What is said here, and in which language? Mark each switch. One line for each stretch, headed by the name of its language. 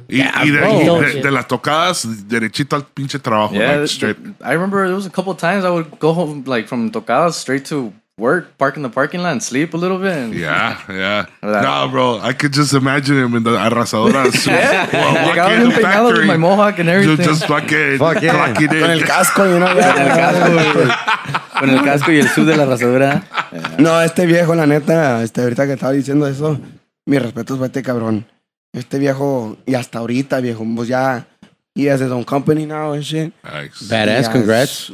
Spanish: y de las tocadas, derechito al pinche trabajo.
English: Yeah, like, straight. I remember there was a couple of times I would go home like from tocadas straight to work, park in the parking lot, and sleep a little bit. Nah, bro, I could just imagine him in the Arrasadora. Like, I was empeñado with my mohawk and everything. Just fucking clocking
Spanish: in. Con el casco, you know. Con el casco y el sud de la Arrasadora. No, este viejo, la neta, este ahorita que estaba diciendo eso, mi respeto es para este cabrón. Este viejo, y hasta ahorita, viejo, pues ya,
English: he has his own company now and shit. Nice. Badass, congrats.